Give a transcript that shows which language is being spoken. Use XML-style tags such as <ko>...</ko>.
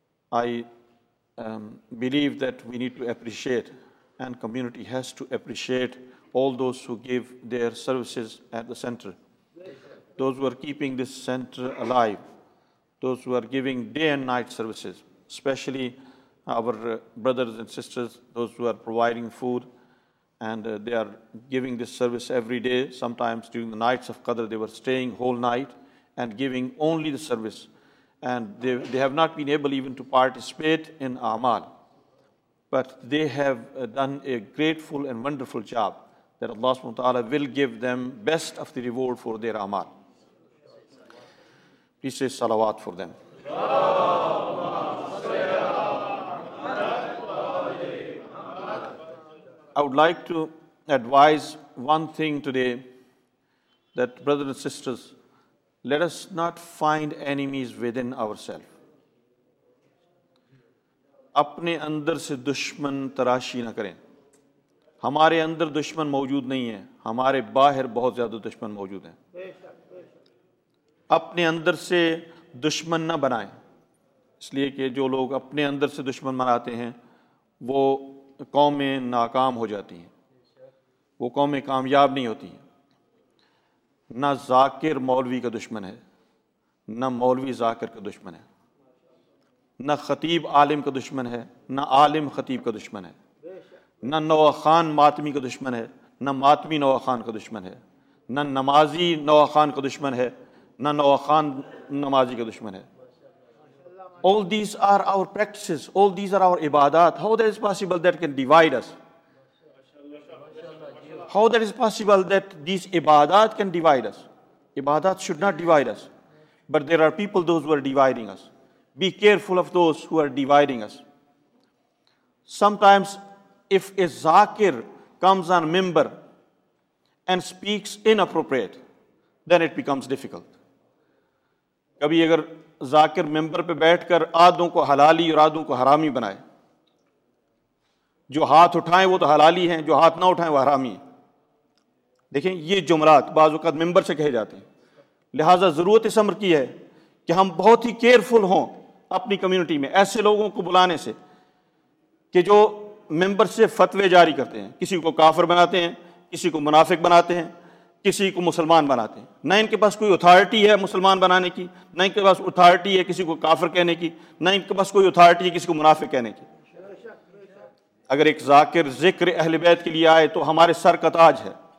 <en>I believe that we need to appreciate and community has to appreciate all those who give their services at the centre, those who are keeping this centre alive, those who are giving day and night services, especially our brothers and sisters, those who are providing food, and they are giving this service every day. Sometimes during the nights of Qadr, they were staying whole night and giving only the service, and they have not been able even to participate in Amal, but they have done a grateful and wonderful job that Allah subhanahu wa ta'ala will give them best of the reward for their Amal. Please say salawat for them. I would like to advise one thing today, that brothers and sisters, let us not find enemies within ourselves.</en> <ur>اپنے اندر سے دشمن تراشی نہ کریں. ہمارے اندر دشمن موجود نہیں ہے, ہمارے باہر بہت زیادہ دشمن موجود ہیں. اپنے اندر سے دشمن نہ بنائیں, اس لیے کہ جو لوگ اپنے اندر سے دشمن بناتے ہیں وہ قومیں ناکام ہو جاتی ہیں, وہ قومیں کامیاب نہیں ہوتی ہیں. نہ ذاکر مولوی کا دشمن ہے, نہ مولوی ذاکر کا دشمن ہے, نہ خطیب عالم کا دشمن ہے, نہ عالم خطیب کا دشمن ہے, نہ نواخان ماتمی کا دشمن ہے, نہ ماتمی نواخان کا دشمن ہے, نہ نمازی نواخان کا دشمن ہے, نہ نواخان نمازی کا دشمن ہے.</ur> <en>All these are our practices, all these are our ibadat. How that is possible that can divide us? How that is possible that these ibadat can divide us? Ibadat should not divide us. But there are people, those who are dividing us. Be careful of those who are dividing us. Sometimes if a zakir comes on a member and speaks inappropriate, then it becomes difficult.</en> <ur>کبھی اگر ذاکر ممبر پہ بیٹھ کر آدھوں کو حلالی اور آدھوں کو حرامی بنائے, جو ہاتھ اٹھائیں وہ تو حلالی ہیں, جو ہاتھ نہ اٹھائیں وہ حرامی ہیں. دیکھیں یہ جملات بعض اوقات ممبر سے کہے جاتے ہیں, لہٰذا ضرورت اس امر کی ہے کہ ہم بہت ہی کیئرفل ہوں اپنی کمیونٹی میں ایسے لوگوں کو بلانے سے کہ جو ممبر سے فتوے جاری کرتے ہیں، کسی کو کافر بناتے ہیں، کسی کو منافق بناتے ہیں، کسی کو مسلمان بناتے ہیں، نہ ان کے پاس کوئی اتھارٹی ہے مسلمان بنانے کی، نہ ان کے پاس اتھارٹی ہے کسی کو کافر کہنے کی، نہ ان کے پاس کوئی اتھارٹی ہے کسی کو منافق کہنے کی۔ اگر ایک ذاکر ذکر اہل بیت کے لیے آئے تو ہمارے سر کا تاج ہے،</ur>